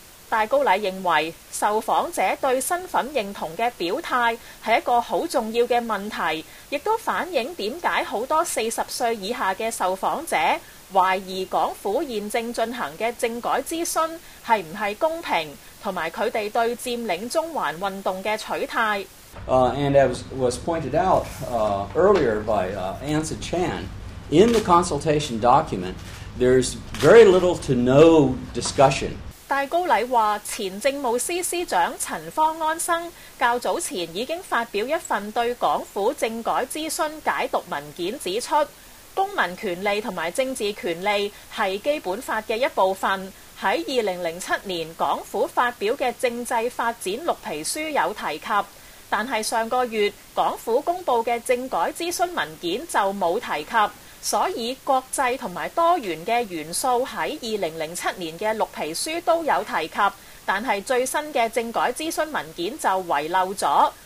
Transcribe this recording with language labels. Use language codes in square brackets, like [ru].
[zh] 戴高禮認為受訪者對身份認同的表態是一個很重要的問題，亦都反映為何很多40歲以下的受訪者懷疑港府現正進行的政改諮詢是不是公平，以及他們對佔領中環運動的取態。 [en] And as was pointed out earlier by Ansa Chan, in the consultation document, there's very little to no discussion. [zh] 戴高禮說，前政務司司長陳方安生較早前已經發表一份對港府政改諮詢解讀文件，指出公民權利和政治權利是基本法的一部分。在2007年港府發表的政制發展綠皮書有提及，但是上個月港府公布的政改諮詢文件就沒有提及，所以國際和多元的元素在2007年的綠皮書都有提及，但是最新的政改諮詢文件就遺漏了。